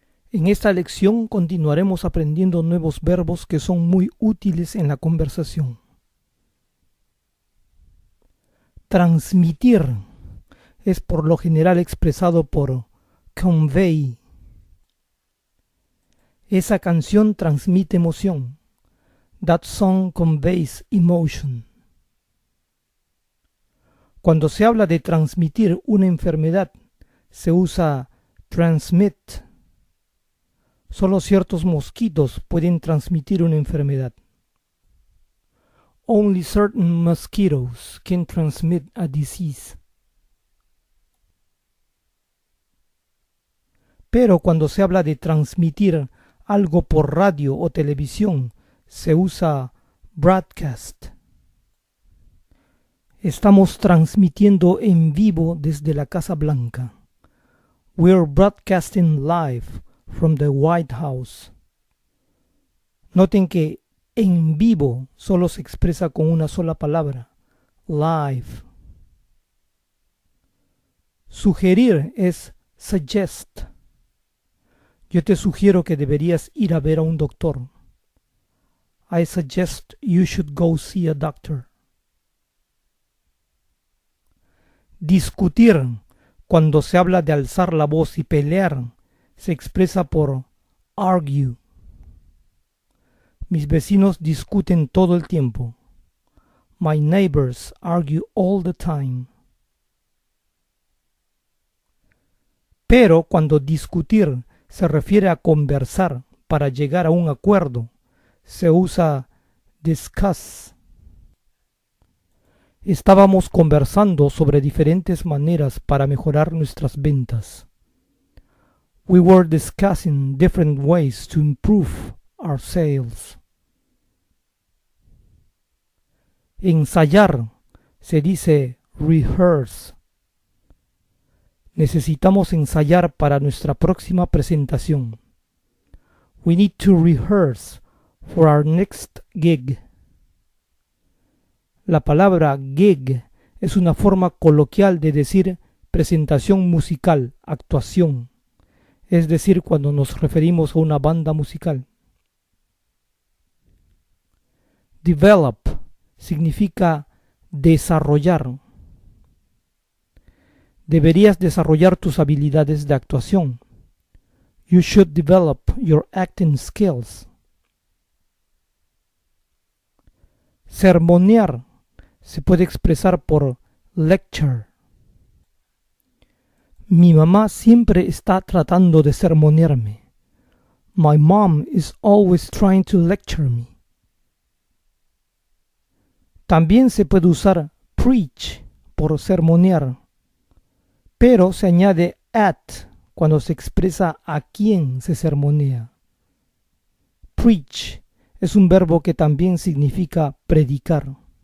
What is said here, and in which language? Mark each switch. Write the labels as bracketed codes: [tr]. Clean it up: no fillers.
[es] En esta lección continuaremos aprendiendo nuevos verbos que son muy útiles en la conversación. Transmitir es por lo general expresado por convey. Esa canción transmite emoción. [en] That song conveys emotion. [es] Cuando se habla de transmitir una enfermedad, se usa transmit. Solo ciertos mosquitos pueden transmitir una enfermedad. [en] Only certain mosquitoes can transmit a disease. [es] Pero cuando se habla de transmitir algo por radio o televisión, se usa broadcast. Estamos transmitiendo en vivo desde la Casa Blanca. [en] We're broadcasting live from the White House. [es] Noten que en vivo solo se expresa con una sola palabra, live. Sugerir es suggest. Yo te sugiero que deberías ir a ver a un doctor. [en] I suggest you should go see a doctor. [es] Discutir, cuando se habla de alzar la voz y pelear, se expresa por argue. Mis vecinos discuten todo el tiempo. [en] My neighbors argue all the time. [es] Pero cuando discutir se refiere a conversar para llegar a un acuerdo, se usa discuss. Estábamos conversando sobre diferentes maneras para mejorar nuestras ventas. [en] We were discussing different ways to improve our sales. [es] Ensayar se dice rehearse. Necesitamos ensayar para nuestra próxima presentación. [en] We need to rehearse for our next gig. [es] La palabra gig es una forma coloquial de decir presentación musical, actuación, es decir, cuando nos referimos a una banda musical. Develop significa desarrollar. Deberías desarrollar tus habilidades de actuación. [en] You should develop your acting skills. [es] Sermonear se puede expresar por lecture. Mi mamá siempre está tratando de sermonearme. [en] My mom is always trying to lecture me. [es] También se puede usar preach por sermonear, pero se añade at cuando se expresa a quién se sermonea. Preach es un verbo que también significa predicar.